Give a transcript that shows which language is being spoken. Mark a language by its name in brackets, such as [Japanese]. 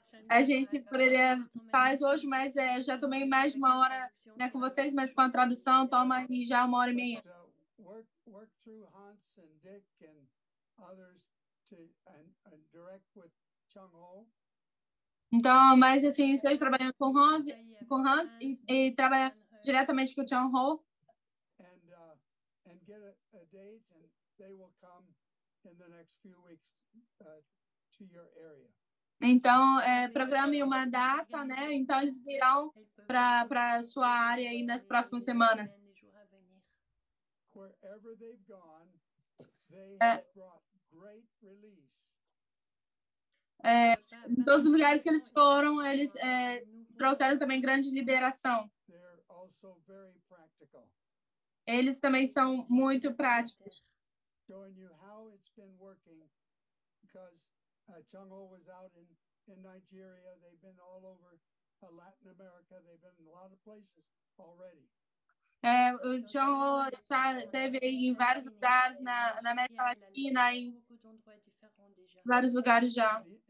[Portuguese] A gente poderia faz hoje, mas é, já tomei mais de uma hora, né, com vocês, mas com a tradução toma aí já uma hora e meia. [English] Work through Hans and Dick and others to and direct with Chung Ho. [Portuguese] Então, mas assim, vocês trabalhando com Hans, e trabalha diretamente com Chung Ho. [English] And get a date and they will come in the next few weeks to your area. [Portuguese] Então, é, programe uma data, né? Então eles virão para a sua área aí nas próximas semanas. [English] Wherever they've gone, they have brought great relief. [Portuguese] É, em todos os lugares que eles foram, eles é, trouxeram também grande liberação. [English] They're also very practical. [Portuguese] Eles também são muito práticos. [English] Showing you how it's been working, because Chung Ho was out in Nigeria, they've been all over Latin America, they've been in a lot of places already. [Portuguese] É, o John tá, teve em vários lugares na, na América Latina, em vários lugares já.